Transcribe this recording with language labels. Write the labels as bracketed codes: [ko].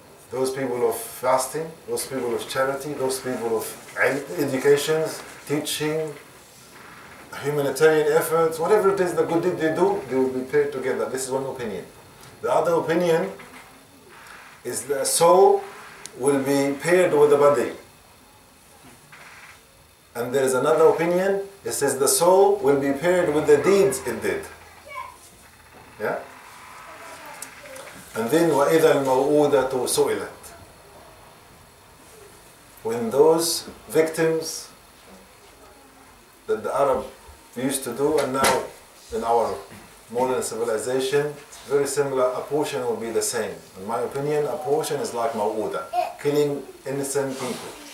[en] Those people of fasting, those people of charity, those people of education, teaching, humanitarian efforts, whatever it is, the good deed they do, they will be paired together. This is one opinion. The other opinion is the soul will be paired with the body. And there is another opinion, it says the soul will be paired with the deeds it did. Yeah? And then, [ar] وَإِذَا الْمَوْءُودَةُ سُئِلَتْ. [en] When those victims that the Arab used to do, and now in our modern civilization, very similar, a portion will be the same. In my opinion, a portion is like mawuda, killing innocent people.